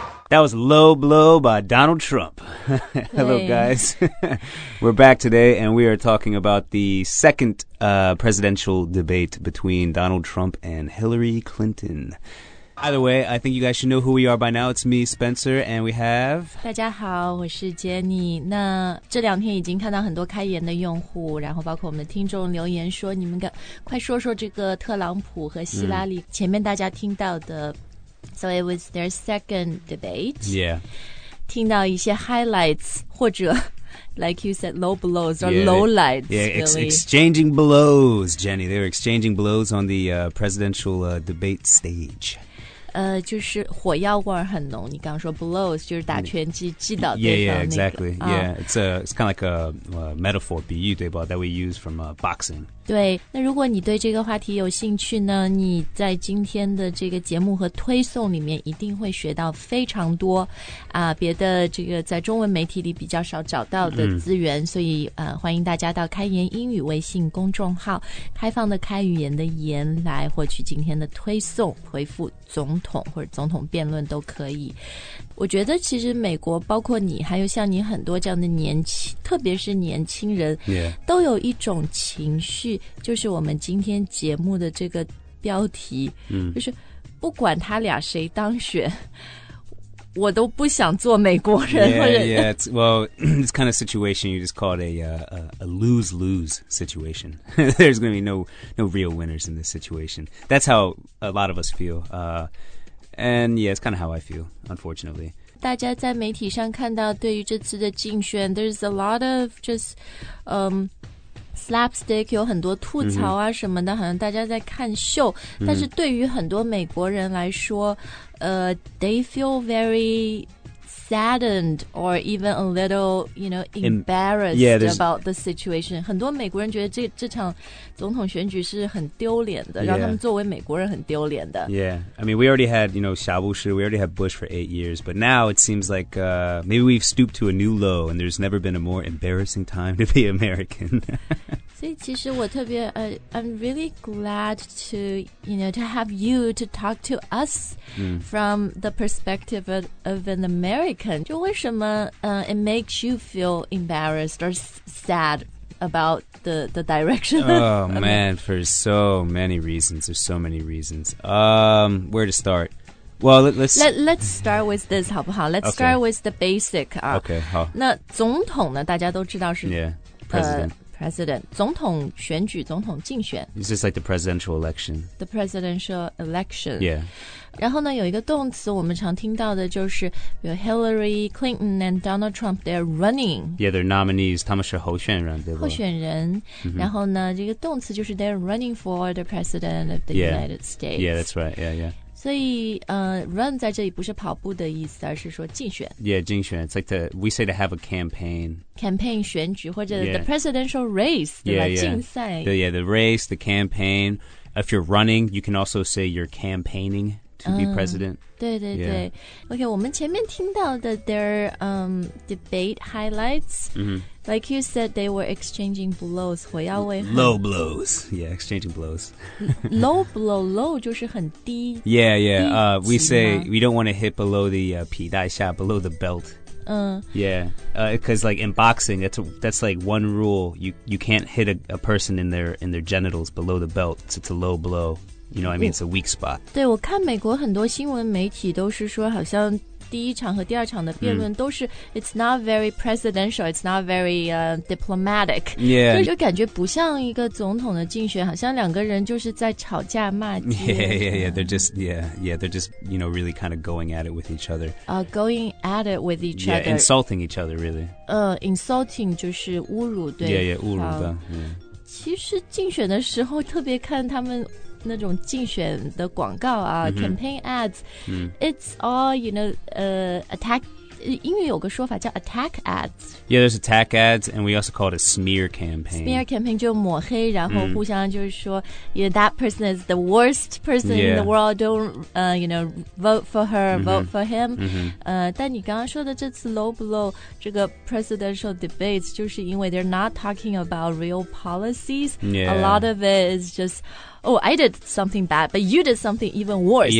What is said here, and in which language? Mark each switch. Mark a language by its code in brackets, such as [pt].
[en] That was Low Blow by Donald Trump. Hello, guys. We're back today, and we are talking about the second presidential debate between Donald Trump and Hillary Clinton. By the way, I think you guys should know who we are by now. It's me, Spencer, and we have... [zh] 大家好，我是 Jenny。那这两天已经看到很多开言的用户，然后包括我们的听众留言说，你们快说说这个特朗普和希拉里前面大家听到的。 [en] So it was their second debate. Yeah. [zh] 听到一些 [en] highlights 或者 like you said, low blows or low lights. Yeah, really. exchanging blows, Jenny. They were exchanging blows on the presidential debate stage. [zh] 就是火药味很浓，你刚刚说 blows 就是打拳击击倒对方、 [en] yeah, exactly. Yeah, it's kind of like a metaphor, [zh] 比喻对吧 [en] that we use from boxing. [zh] 对，那如果你对这个话题有兴趣呢，你在今天的这个节目和推送里面一定会学到非常多啊、别的这个在中文媒体里比较少找到的资源、所以欢迎大家到开言英语微信公众号开放的开语言的言来获取今天的推送回复总统或者总统辩论都可以。我觉得其实美国包括你还有像你很多这样的年轻特别是年轻人、 [en] yeah. [zh] 都有一种情绪就是我们今天节目的这个标题、就是不管他俩谁当选我都不想做美国人 [en] yeah, yeah. It's, well it's kind of situation you just called a lose-lose situation there's going to be no real winners in this situation that's how a lot of us feel And yeah, it's kind of how I feel, unfortunately. [zh] 大家在媒体上看到对于这次的竞选 [en] there's a lot of just slapstick, [zh] 有很多吐槽啊什么的、好像大家在看秀、但是对于很多美国人来说 [en] they feel very saddened or even a little, you know, embarrassed about the situation. [zh] 很多美国人觉得这场总统选举是很丢脸的、让他们作为美国人很丢脸的。 [en] Yeah, I mean, we already had, you know, [zh] 夏布什, [en] we already had Bush for 8 years, but now it seems like maybe we've stooped to a new low and there's never been a more embarrassing time to be American. [zh] 所以其实我特别, [en] I'm really glad to, you know, to have you to talk to us、from the perspective of an American. [zh] 就为什么, [en] it makes you feel embarrassed or sad about the direction? Oh, man, for so many reasons. There's so many reasons. Where to start? Well, let's start with this, [zh] 好不好? [en] Let's start with the basic. Okay, 好。 [zh] 那总统呢,大家都知道是... [en] Yeah, president. [zh] President, 总统选举,总统竞选。 [en] It's just like the presidential election. The presidential election. Yeah. [zh] 然后呢,有一个动词我们常听到的就是 Hillary Clinton and Donald Trump, [en] they're running. Yeah, they're nominees. [zh] 他们是候选人,对吧? 候选人。然后呢,这个动词就是 [en] they're running for the president of the United States. Yeah, that's right. Yeah, yeah. [zh] 所以run 在这里不是跑步的意思而是说竞选 [en] Yeah, 竞选 It's like we say to have a campaign Campaign [zh] 选举或者 [en] the presidential race 对 yeah, [zh] 吧竞赛 [en] Yeah, the race, the campaign If you're running, you can also say you're campaigning to be president [zh] 对对对、 [en] Okay, [zh] 我们前面听到的 [en] their debate highlights、Like you said, they were exchanging blows, [zh] 火药味。 [en] Low blows, yeah, exchanging blows. [zh] low blow, low 就是很低。 [en] Yeah, yeah, we say we don't want to hit below the [zh] 皮带下, [en] below the belt. Yeah, because like in boxing, that's like one rule. You can't hit a person in their genitals below the belt. It's a low blow. You know what I mean? It's a weak spot. [zh] 对，我看美国很多新闻媒体都是说，好像第一场和第二场的辩论都是 [en] it's not very presidential, it's not very diplomatic. Yeah. [zh] 就感觉不像一个总统的竞选，好像两个人就是在吵架骂街。 [en] They're just, you know, really kind of going at it with each other. Going at it with each other. Yeah, insulting each other, really. [zh] Insulting 就是侮辱对方。Yeah, 侮辱的。Yeah. 其实竞选的时候特别看他们那种竞选的广告啊、mm-hmm. [en] campaign ads、mm-hmm. it's all you know attack [zh] 英语有个说法叫 [en] attack ads yeah there's attack ads and we also call it a smear campaign [zh] smear campaign 就抹黑然后互相就是说、mm-hmm. [en] you know, that person is the worst person、yeah. in the world don't you know vote for her、mm-hmm. vote for him、mm-hmm. [zh] 但你刚刚说的这次 [en] low blow 这个 presidential debates [zh] 就是因为 [en] they're not talking about real policies、 yeah. a lot of it is justOh, I did something bad, but you did something even worse.